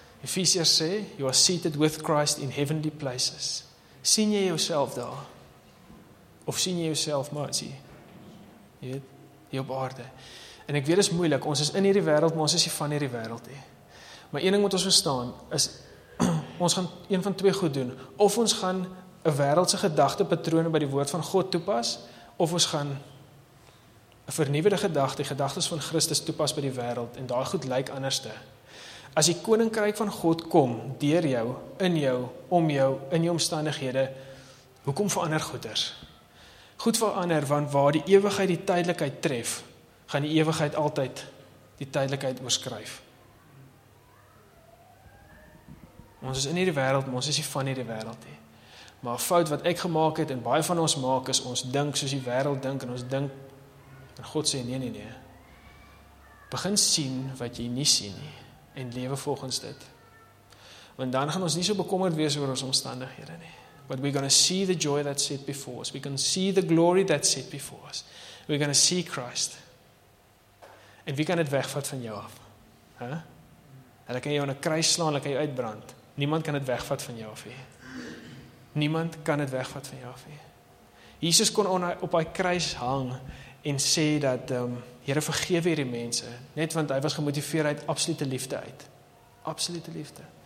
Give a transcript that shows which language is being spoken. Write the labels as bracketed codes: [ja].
[af] Efesiërs sê, [en] you are seated with Christ in heavenly places. [af] Sien jy jouself daar? Of sien jy jouself maar as jy op aarde? En ek weet, dit is moeilik. Ons is in hierdie wêreld, maar ons is nie van hierdie wêreld nie. Maar een ding moet ons verstaan, is ons gaan een van twee goed doen. Of ons gaan 'n wêreldse gedagtepatrone by die woord van God toepas, of ons gaan 'n vernuwende gedagtes van Christus toepas by die wêreld, en daai goed lyk anderste. As die koninkryk van God kom, deur jou, in jou, om jou, in jou omstandighede, hoekom verander goeders? goed verander, want waar die ewigheid die tydelikheid tref, gaan die ewigheid altyd die tydelikheid oorskryf. Ons is in hierdie wêreld, maar ons is nie van hierdie wêreld nie. Maar 'n fout wat ek gemaak het en baie van ons maak is ons dink soos die wêreld dink en ons dink en God sê nee. Begin sien wat jy nie sien nie en lewe volgens dit. Want dan gaan ons nie so bekommerd wees oor ons omstandighede nie. [en] But we're going to see the joy that's set before us. We can see the glory that's set before us. We're going to see Christ. [af] En wie kan dit wegvat van jou af? Hulle kan jou in 'n kruis slaan, hulle kan jou uitbrand. Niemand kan dit wegvat van jou af nie. Niemand kan dit wegvat van jou af nie. Jesus kon op hy kruis hang en sê dat Here vergewe hierdie mense, net want hy was gemotiveer uit absolute liefde uit. Absolute liefde.